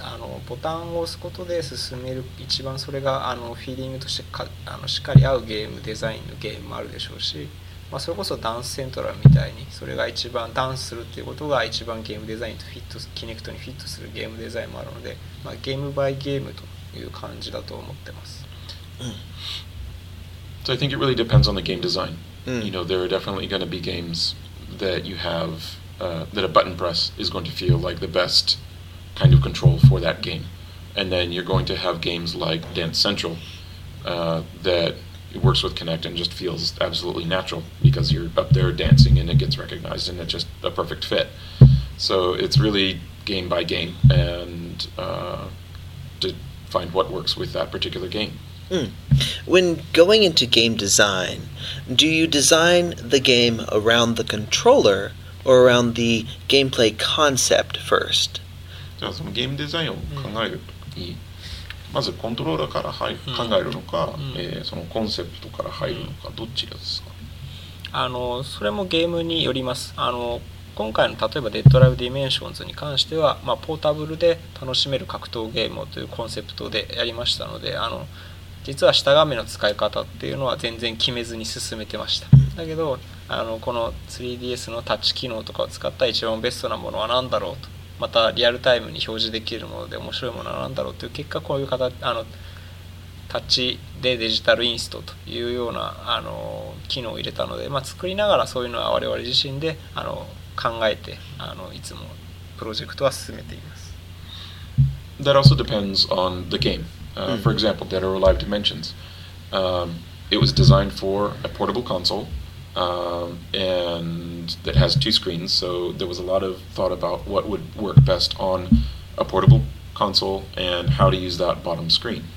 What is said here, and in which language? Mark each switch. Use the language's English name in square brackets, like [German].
[Japanese] あのボタンを押すことで進める、一番それがあのフィーリングとしてかあのしっかり合うゲームデザインのゲームもあるでしょうし、まあ、それこそダンスセントラルみたいにそれが一番ダンスするっていうことが一番ゲームデザインとフィットキネクトにフィットするゲームデザインもあるので、まあ、ゲームバイゲームという感じだと思ってます、 [English] うん、So I think it really depends on the game design、うん、You know there are definitely going to be games that you have、that a button press is going to feel like the best kind of control for that game and then you're going to have games like Dance Central、thatIt works with Kinect and just feels absolutely natural because you're up there dancing and it gets recognized and it's just a perfect fit. So it's really game by game and to find what works with that particular game.、 Mm. When going into game design, do you design the game around the controller or around the gameplay concept first? [Japanese] じゃあそのゲームデザインを考えるときに。まずコントローラーから考えるのか、うんそのコンセプトから入るのか、うん、どっちですか？それもゲームによります。今回の例えばデッドライブディメンションズに関しては、まあ、ポータブルで楽しめる格闘ゲームというコンセプトでやりましたので、実は下画面の使い方っていうのは全然決めずに進めてました。だけどこの 3DS のタッチ機能とかを使った一番ベストなものは何だろうと、またリアルタイムに表示できるもので面白いものは何だろうという結果、こういう形タッチでデジタルインストというような機能を入れたので、まあ、作りながらそういうのは我々自身で考えていつもプロジェクトは進めています。 [English] That also depends on the game、for example Dead or Alive Dimensions、it was designed for a portable consoleAnd that has two screens, so there was a lot of thought about what would work best on a portable console and how to use that bottom screen.